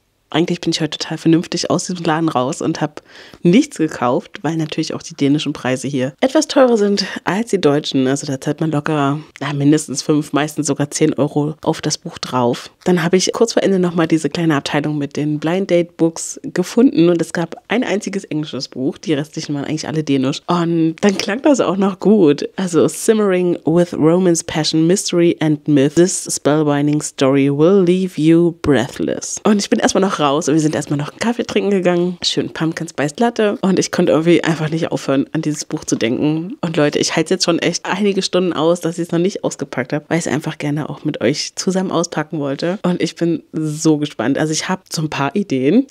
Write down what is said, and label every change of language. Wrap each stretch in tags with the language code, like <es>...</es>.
<de>Eigentlich bin ich heute total vernünftig aus diesem Laden raus und habe nichts gekauft, weil natürlich auch die dänischen Preise hier etwas teurer sind als die deutschen. Also da zahlt man locker mindestens 5, meistens sogar 10 Euro auf das Buch drauf. Dann habe ich kurz vor Ende nochmal diese kleine Abteilung mit den Blind Date Books gefunden und es gab ein einziges englisches Buch. Die restlichen waren eigentlich alle dänisch. Und dann klang das auch noch gut.</de> <en>Also Simmering with Romance, Passion, Mystery and Myth. This spellbinding story will leave you breathless.</en> <de>Und ich bin erstmal noch raus und wir sind erstmal noch einen Kaffee trinken gegangen. Schön Pumpkin Spice Latte und ich konnte irgendwie einfach nicht aufhören, an dieses Buch zu denken. Und Leute, ich halte es jetzt schon echt einige Stunden aus, dass ich es noch nicht ausgepackt habe, weil ich es einfach gerne auch mit euch zusammen auspacken wollte. Und ich bin so gespannt. Also ich habe so ein paar Ideen.</de>